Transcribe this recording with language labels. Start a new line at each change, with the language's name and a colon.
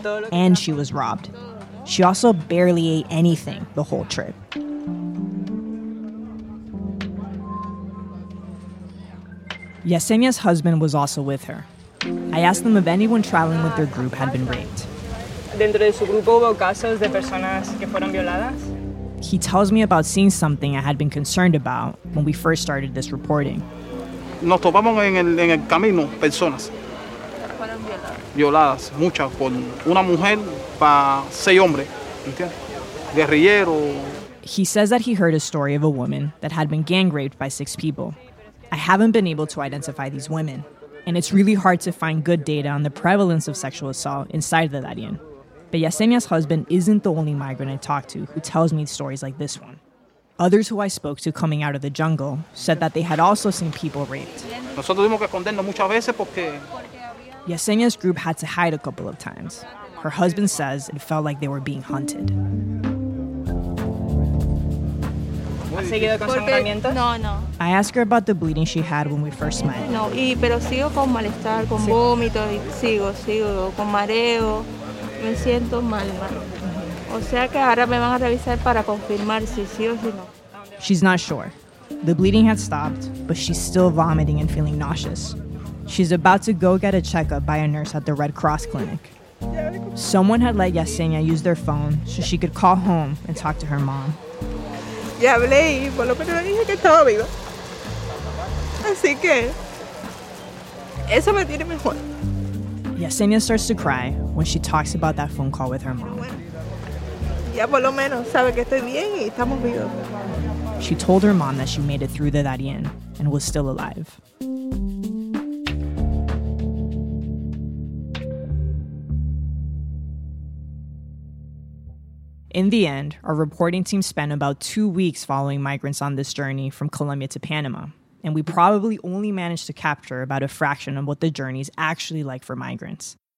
English: And she was robbed. She also barely ate anything the whole trip. Yesenia's husband was also with her. I asked them if anyone traveling with their group had been raped.
Spanish: Dentro de su grupo hubo casos de personas que fueron violadas.
English: He tells me about seeing something I had been concerned about when we first started this reporting.
Spanish: Nos topamos en el camino personas violadas, muchas, con una mujer para 6 hombres, ¿entiendes? Guerrillero.
English: He says that he heard a story of a woman that had been gang raped by 6 people. I haven't been able to identify these women, and it's really hard to find good data on the prevalence of sexual assault inside the Darién. But Yesenia's husband isn't the only migrant I talked to who tells me stories like this one. Others who I spoke to coming out of the jungle said that they had also seen people raped. Yesenia's group had to hide a couple of times. Her husband says it felt like they were being hunted. I asked her about the bleeding she had when we first met.
Spanish: No, pero sigo con malestar, con vómito, sigo con mareo. Me siento mal. O sea que ahora me van a revisar para confirmar si sí o si no.
English: She's not sure. The bleeding had stopped, but she's still vomiting and feeling nauseous. She's about to go get a checkup by a nurse at the Red Cross clinic. Someone had let Yesenia use their phone so she could call home and talk to her mom.
Spanish: Ya hablé y por lo menos le dije que estaba viva. Así que eso me tiene mejor.
English: Yesenia starts to cry when she talks about that phone call with her mom.
Spanish: Ya por lo menos sabe que estoy bien y estamos vivos.
English: She told her mom that she made it through the Darién and was still alive. In the end, our reporting team spent about 2 weeks following migrants on this journey from Colombia to Panama, and we probably only managed to capture about a fraction of what the journey is actually like for migrants.